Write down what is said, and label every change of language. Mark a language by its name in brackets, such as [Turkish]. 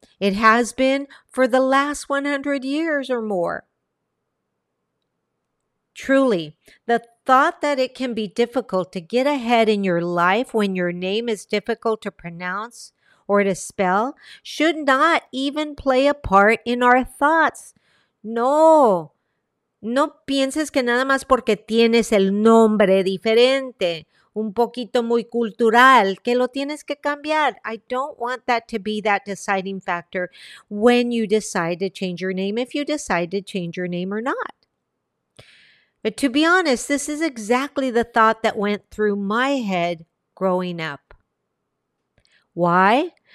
[English] It has been for the last 100 years or more. Truly, the thought that it can be difficult to get ahead in your life when your name is difficult to pronounce or to spell should not even play a part in our thoughts. [Spanish] No, no pienses que nada más porque tienes el nombre diferente, un poquito muy cultural, que lo tienes que cambiar. [English] I don't want that to be that deciding factor when you decide to change your name, if you decide to change your name or not. But to be honest, this is exactly the thought that went through my head growing up. Why?